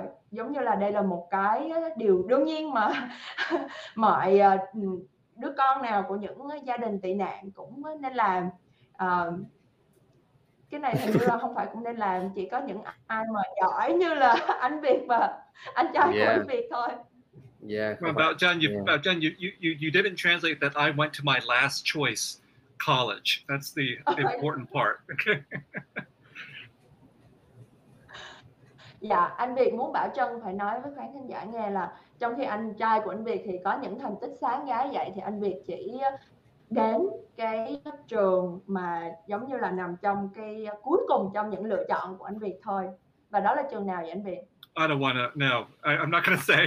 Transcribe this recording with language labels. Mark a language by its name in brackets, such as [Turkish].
[Vietnamese] giống như là đây là một cái điều đương nhiên mà mọi đứa con nào của những gia đình tị nạn cũng nên làm. Cái này thì là không phải cũng nên làm, chỉ có những ai mà giỏi như là anh Việt và anh trai của anh Việt thôi. [English] Yeah. About John, you didn't translate that I went to my last choice college. That's the important part. [Vietnamese] Dạ, anh Việt muốn Bảo Trân phải nói với khán giả nghe là trong khi anh trai của anh Việt thì có những thành tích sáng giá vậy, thì anh Việt chỉ đến cái trường mà giống như là nằm trong cái cuối cùng trong những lựa chọn của anh Việt thôi. Và đó là trường nào vậy anh Việt? [English] I don't wanna, no, I'm not gonna say.